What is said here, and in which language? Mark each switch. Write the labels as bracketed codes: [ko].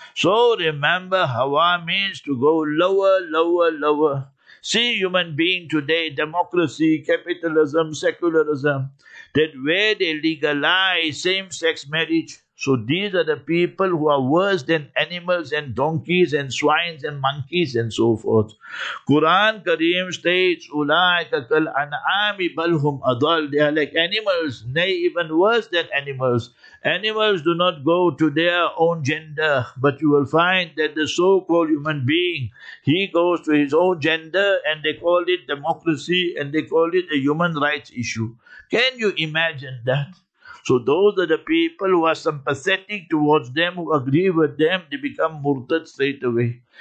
[en] So remember, hawa means to go lower, lower, lower. See, human being today, democracy, capitalism, secularism, that where they legalize same-sex marriage, so these are the people who are worse than animals and donkeys and swines and monkeys and so forth. Quran Kareem states, [ar] أُولَٰئِكَ كَالْأَنْعَامِ بَلْ هُمْ أَضَلُّ. [en] They are like animals, nay, even worse than animals. Animals do not go to their own gender, but you will find that the so-called human being, he goes to his own gender, and they call it democracy, and they call it a human rights issue. Can you imagine that? So those are the people who are sympathetic towards them, who agree with them, they become murtad straight away.